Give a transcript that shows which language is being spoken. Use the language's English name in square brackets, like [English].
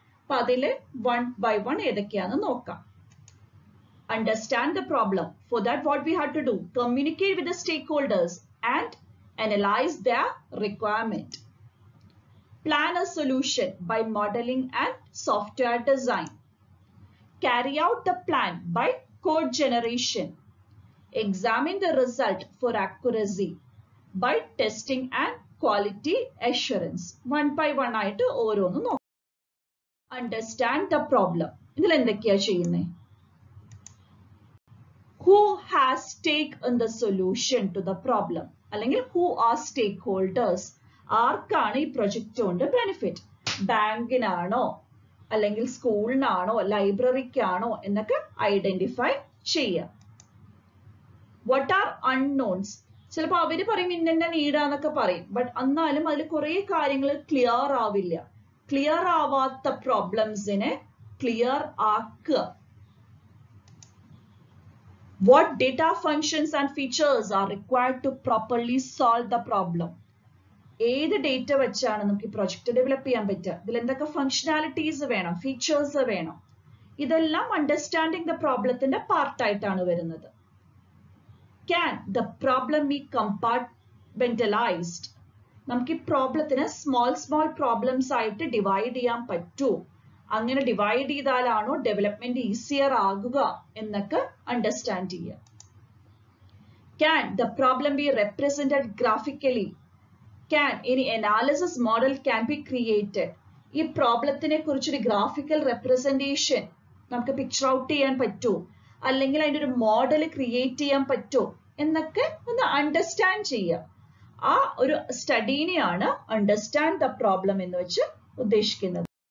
[Malayalam] അപ്പൊ അതില് [English] one by one [Malayalam] ഏതൊക്കെയാണെന്ന് നോക്കാം. [English] Understand the problem. For that what we have to do communicate with the stakeholders and analyse the requirement. Plan a solution by modelling and software design. Carry out the plan by code generation. Examine the result for accuracy by testing and quality assurance. One by one [Malayalam] ആയിട്ട് ഓരോന്നും നോക്കാം. [English] Understand the problem. [Malayalam] ഇതിൽ എന്തൊക്കെയാ ചെയ്യുന്നത്? [English] Who has stake in the solution to the problem? [Malayalam] അല്ലെങ്കിൽ [English] who are stakeholders? [Malayalam] ആർക്കാണ് ഈ project കൊണ്ട് ബെനിഫിറ്റ്? ബാങ്കിനാണോ അല്ലെങ്കിൽ സ്കൂളിനാണോ ലൈബ്രറിക്കാണോ എന്നൊക്കെ ഐഡന്റിഫൈ ചെയ്യുക. [English] What are unknowns? [Malayalam] ചിലപ്പോൾ അവര് പറയും ഇന്നെന്നെ നീടാന്നൊക്കെ പറയും, ബട്ട് എന്നാലും അതിൽ കുറെ കാര്യങ്ങൾ ക്ലിയർ ആവില്ല. ക്ലിയർ ആവാത്ത പ്രോബ്ലംസിനെ ക്ലിയർ ആക്കുക. [English] What data functions and features are required to properly solve the problem? [Malayalam] ഏത് ഡേറ്റ വെച്ചാണ് നമുക്ക് ഈ പ്രൊജക്ട് ഡെവലപ്പ് ചെയ്യാൻ പറ്റുക? ഇതിൽ എന്തൊക്കെ ഫങ്ഷണാലിറ്റീസ് വേണം, ഫീച്ചേഴ്സ് വേണം? ഇതെല്ലാം അണ്ടർസ്റ്റാൻഡിങ് ദ പ്രോബ്ലത്തിന്റെ പാർട്ടായിട്ടാണ് വരുന്നത്. [English] Can the problem be compartmentalized? [Malayalam] നമുക്ക് ഈ പ്രോബ്ലത്തിന് സ്മോൾ സ്മോൾ പ്രോബ്ലംസ് ആയിട്ട് ഡിവൈഡ് ചെയ്യാൻ പറ്റൂ? അങ്ങനെ ഡിവൈഡ് ചെയ്താലാണോ ഡെവലപ്മെന്റ് ഈസിയർ ആകുക എന്നൊക്കെ അണ്ടർസ്റ്റാൻഡ് ചെയ്യുക. [English] Can the problem be represented graphically? Can any analysis model can be created? [Malayalam] ഈ പ്രോബ്ലത്തിനെ കുറിച്ചൊരു ഗ്രാഫിക്കൽ റെപ്രസെന്റേഷൻ നമുക്ക് പിക്ചർ ഔട്ട് ചെയ്യാൻ പറ്റൂ? അല്ലെങ്കിൽ അതിൻ്റെ ഒരു മോഡൽ ക്രിയേറ്റ് ചെയ്യാൻ പറ്റുമോ എന്നൊക്കെ ഒന്ന് അണ്ടർസ്റ്റാൻഡ് ചെയ്യുക. ആ ഒരു സ്റ്റഡീനെയാണ് അണ്ടർസ്റ്റാൻഡ് ദ പ്രോബ്ലം എന്ന് വെച്ച് ഉദ്ദേശിക്കുന്നത്.